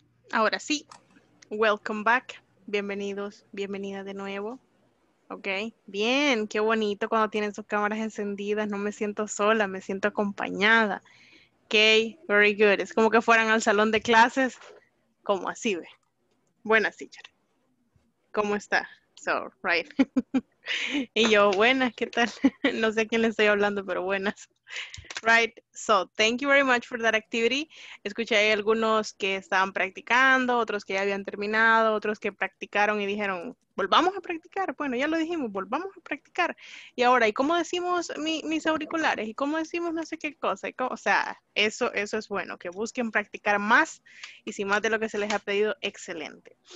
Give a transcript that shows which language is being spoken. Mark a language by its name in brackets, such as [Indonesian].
[Spanish] Ahora sí, [English] welcome back, [Spanish] bienvenidos, bienvenida de nuevo, ok, bien, qué bonito cuando tienen sus cámaras encendidas, no me siento sola, me siento acompañada, ok, [English] very good, [Spanish] es como que fueran al salón de clases, como así ve, buenas teacher, ¿cómo está? [English] So, right, [Spanish] y yo, buenas, ¿qué tal? No sé a quién le estoy hablando, pero buenas. [English] Right, so thank you very much for that activity. [Spanish] Escuché ahí algunos que estaban practicando, otros que ya habían terminado, otros que practicaron y dijeron, volvamos a practicar. Bueno, ya lo dijimos, volvamos a practicar. Y ahora, ¿y cómo decimos mis auriculares? ¿Y cómo decimos no sé qué cosa? O sea, eso es bueno, que busquen practicar más y si más de lo que se les ha pedido, excelente.